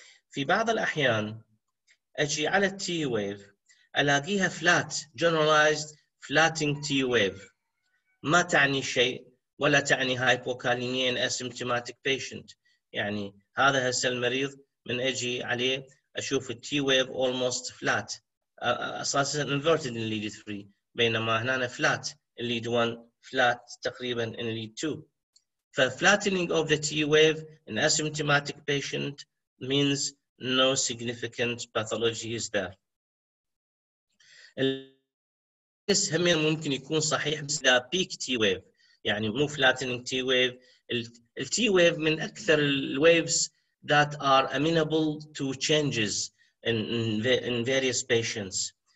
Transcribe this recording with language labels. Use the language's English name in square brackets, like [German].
[Arabic] في بعض الاحيان اجي على T wave الاقيها flat, [English] generalized flattening T wave، [Arabic] ما تعني شيء ولا تعني hypokalemia [English] in asymptomatic patient، [Arabic] يعني هذا هسه المريض من اجي عليه اشوف T wave almost flat اساسا inverted in lead 3 بينما هنا flat lead 1 flat تقريبا in lead 2. ف [English] flattening of the T wave in asymptomatic patient means no significant pathology is there. [Arabic] القياس هم ممكن يكون صحيح بس لا peak T wave، يعني مو flattening T wave. [English] ال T wave [Arabic] من اكثر ال [English] waves that are amenable to changes in various patients.